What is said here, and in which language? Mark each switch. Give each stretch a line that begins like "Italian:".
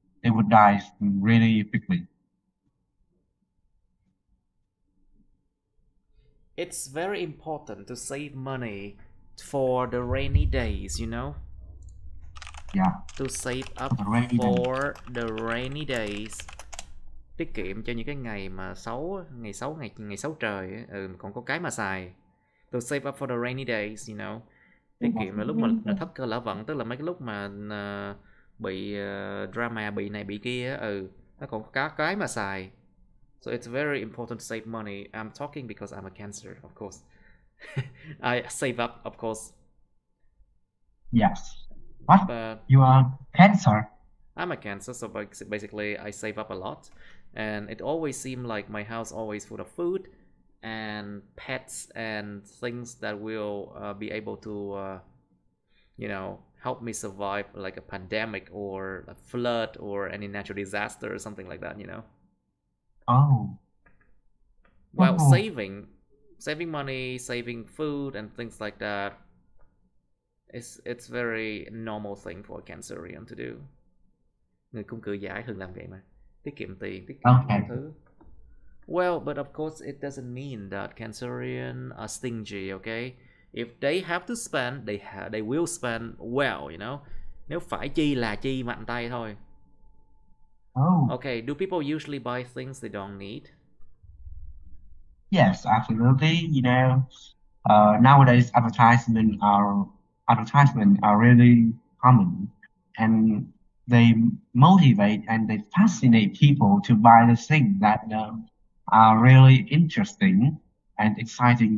English: They would die really quickly. It's very important to save money for the rainy days, To save up for the rainy days.
Vietnamese: Tiết kiệm cho những cái ngày mà xấu, ngày xấu, ngày ngày xấu trời, còn có cái mà xài.
English: To save up for the rainy days,
Vietnamese: Tiết kiệm là lúc mà là thất cơ lỡ vận, tức là mấy cái lúc mà bị drama, bị này bị kia, nó còn có cái mà xài.
English: So it's very important to save money. I'm talking because I'm a Cancer, of course. I save up, of course. Yes. What? But you are Cancer? I'm a Cancer, so basically I save up a lot. And it always seemed like my house always full of food and pets and things that will be able to, help me survive like a pandemic or a flood or any natural disaster or something like that, Well, saving money, saving food and things like that, it's very normal thing for a Cancerian to do.
Vietnamese: Người cung cự giải thường làm vậy mà. Tiết kiệm tiền, tiết kiệm
English: okay.
Vietnamese: thứ.
English: Well, but of course it doesn't mean that Cancerian are stingy, okay? If they have to spend, they will spend well,
Vietnamese: Nếu phải chi là chi mạnh tay thôi.
English: Oh. Okay, do people usually buy things they don't need? Yes, absolutely. You know, nowadays advertisements are really common, and they motivate and they fascinate people to buy the thing that are really interesting and exciting.